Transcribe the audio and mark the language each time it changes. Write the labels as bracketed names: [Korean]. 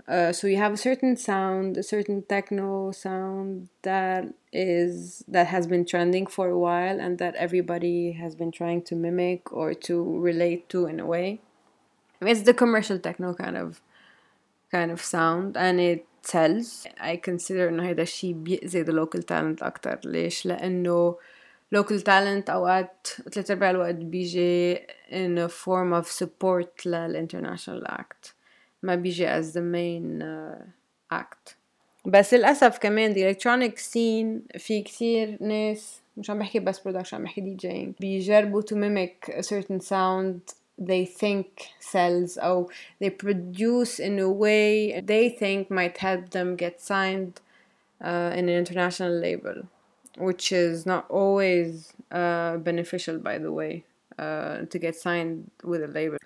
[English] So you have a certain sound, a certain techno sound that has been trending for a while and that everybody has been trying to mimic or to relate to in a way. It's the commercial techno kind of sound, and it sells. I consider [Arabic] إنه هذا الشيء بيأذي [English] the local talent أكتر. [Arabic] ليش؟ لأنه local talent أوقات ثلاثة أربع الوقت بيجي [English] in a form of support [Arabic] للinternational act. ما بيجي [English] as the main act. [Arabic] بس للأسف كمان [English] the electronic scene [Arabic] في كثير ناس, مش عم بحكي بس [English] production, عم بحكي DJing, بيجربوا to mimic a certain sound they think sells, or they produce in a way they think might help them get signed in an international label, which is not always beneficial, by the way, to get signed with a label.